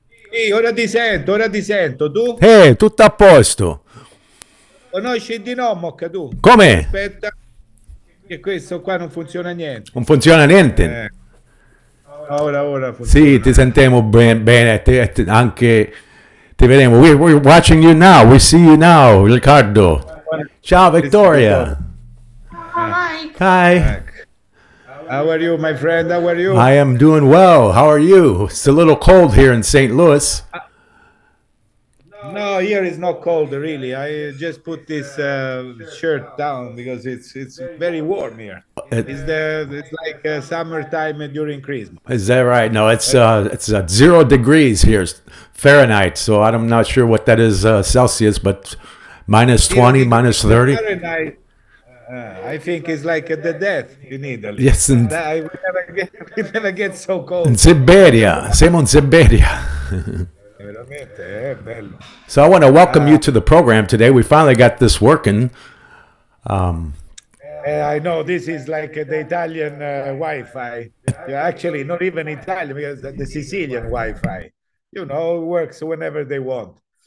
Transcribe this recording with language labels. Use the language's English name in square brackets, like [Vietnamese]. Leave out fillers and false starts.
[Italian] Sì, ora ti sento, ora ti sento. Tu? Tutto a posto. Conosci di nome, che tu? Come? Aspetta, che questo qua non funziona niente. Non funziona niente? Ora sì, ti sentiamo bene, anche ti vediamo. [English] We're watching you now, we see you now, Riccardo. [Italian] Ciao Victoria. [English] Hi. Hi. How are you, my friend? How are you? I am doing well. How are you? It's a little cold here in St. Louis. No, here is not cold really. I just put this shirt down because it's very warm here. It's like summertime during Christmas. Is that right? No, it's 0 degrees here, Fahrenheit. So I'm not sure what that is Celsius, but -20, -30. Fahrenheit. I think it's like the death in Italy. Yes, and we never get so cold. [Italian] In Siberia, siamo in Siberia. veramente, è bello. [English] So I want to welcome you to the program today. We finally got this working. I know this is like the Italian Wi-Fi. Actually, not even Italian, because the Sicilian Wi-Fi. You know, it works whenever they want.